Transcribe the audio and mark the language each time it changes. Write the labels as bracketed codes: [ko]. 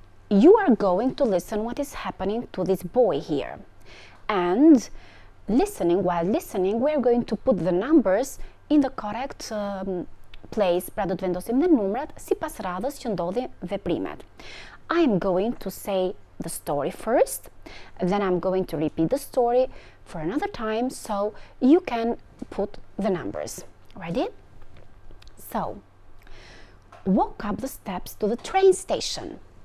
[en] You are going to listen what is happening to this boy here. And listening, while listening, we are going to put the numbers in the correct place. [sq] Pra do të vendosim dhe numrat si pas radhës që ndodhin veprimet. [en] I am going to say the story first, then I'm going to repeat the story for another time so you can put the numbers. Ready? So, walk up the steps to the train station.